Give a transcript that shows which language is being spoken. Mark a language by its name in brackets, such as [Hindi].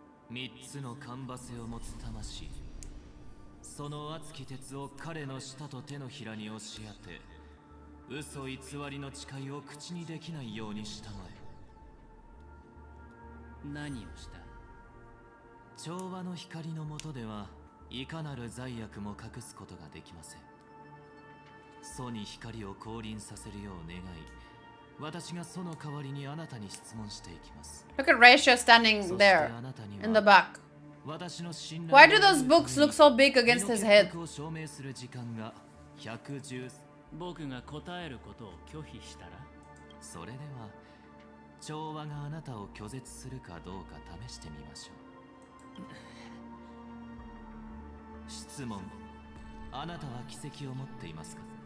[Japanese] 三つのカンバスを持つ魂、その熱き鉄を彼の舌と手のひらに押し当て、嘘偽りの誓いを口にできないようにしたまえ。何をした？調和の光の下ではいかなる罪悪も隠すことができません。祖に光を降臨させるよう願い、私が祖の代わりにあなたに質問していきます。 [English] Look at Ratio standing there in the back. Why do those books look so big against his head? [Japanese] 僕が証明する時間が110。僕が答えることを拒否したら、それでは調和があなたを拒絶するかどうか試してみましょう。質問、あなたは奇跡を持っていますか？